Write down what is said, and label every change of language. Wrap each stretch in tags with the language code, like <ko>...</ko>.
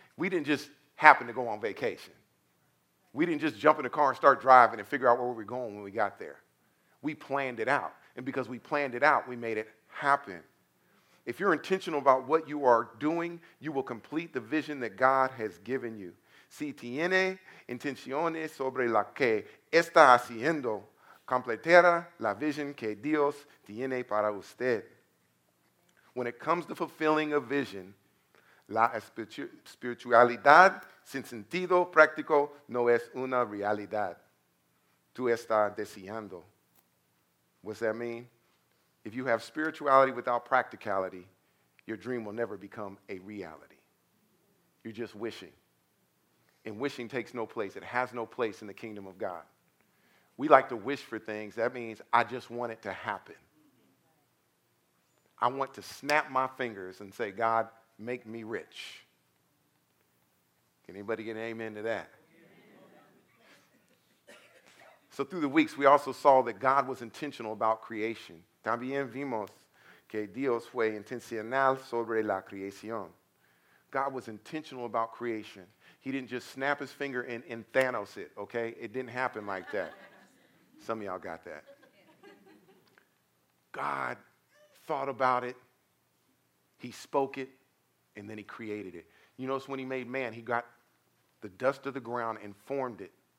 <en>We didn't just happen to go on vacation. We didn't just jump in the car and start driving and figure out where we were going when we got there. We planned it out. And because we planned it out, we made it happen. If you're intentional about what you are doing, you will complete the vision that God has given you.</en> <es>Si tiene intenciones sobre la que está haciendo, completará la vision que Dios tiene para usted.</es> <en>When it comes to fulfilling a vision,</en> <es>la espiritualidad sin sentido práctico no es una realidad. Tú estás deseando.</es> <en>What's that mean? If you have spirituality without practicality, your dream will never become a reality. You're just wishing. And wishing takes no place. It has no place in the kingdom of God. We like to wish for things. That means I just want it to happen. I want to snap my fingers and say, God, make me rich. Can anybody get an amen to that? So through the weeks, we also saw that God was intentional about creation.</en> <es>También vimos que Dios fue intencional sobre la creación.</es> <en>God was intentional about creation. He didn't just snap his finger and Thanos it, okay? It didn't happen like that. Some of y'all got that. God thought about it, he spoke it, and then he created it. You notice when he made man, he got the dust of the ground and formed it.</en>